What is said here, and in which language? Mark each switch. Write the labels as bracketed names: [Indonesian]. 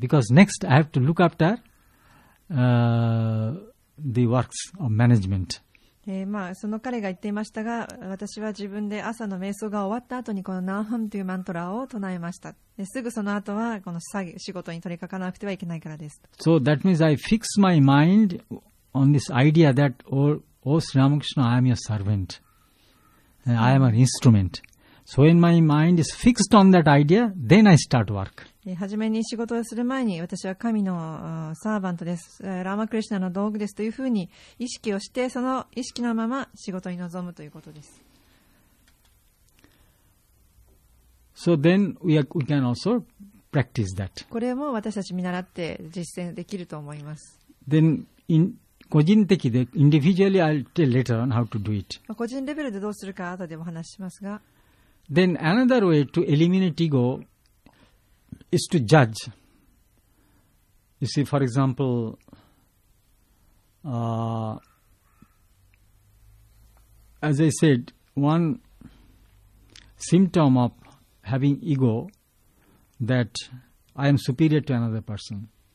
[English] Because next I have to look after the works of management. [Japanese] まあ、その彼が言っていましたが、私は自分で朝の瞑想が終わった後にこの Nahang というマントラを唱えました。すぐその後はこの仕事に取り掛かなくてはいけないからです。 [English] So that means I fix my mind on this idea that, oh Sri Ramakrishna, I am your servant. I am an instrument. So when my mind is fixed on that idea, then I start work. [Japanese] 初めに仕事をする前に私は神のサーバントです。ラマクリシナの道具ですというふうに意識をして、その意識のまま仕事に臨むということです。 [English] So then we can also practice that. [Japanese] これも私たち見習って実践できると思います。 [English] Then in [Japanese] 個人的で [English] individually I'll tell later on how to do it. [Japanese] 個人レベルでどうするか後でも話しますが。 [English] Then another way to eliminate ego is to judge. You see, for example, as I said, one symptom of having ego that I am superior to another person.